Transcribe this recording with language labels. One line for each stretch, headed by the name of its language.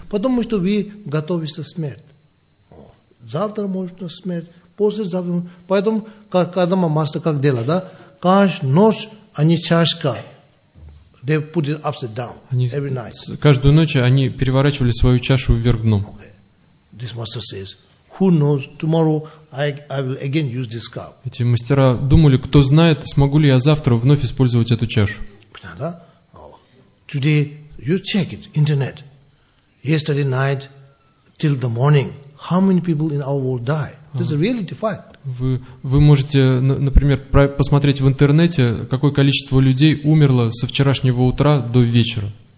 Russian: Потому что вы готовитесь к смерти. Завтра может быть смерть. Послезавтра. Поэтому, как Адама Мастер, как дело, да? Каждая ночь, а не чашка.
English: They put it upside down
Russian: они
English: every night.
Russian: Каждую ночь они переворачивали свою чашу вверх дном.
English: Okay. This master says, who knows, tomorrow I will again use this cup.
Russian: Эти мастера думали, кто знает, смогу ли я завтра вновь использовать эту чашу. Понятно?
English: Today you check it, internet. Yesterday night till the morning, how many people in our world die? This is a reality fact.
Russian: Вы можете, например, посмотреть в интернете, какое количество людей умерло со вчерашнего утра до вечера.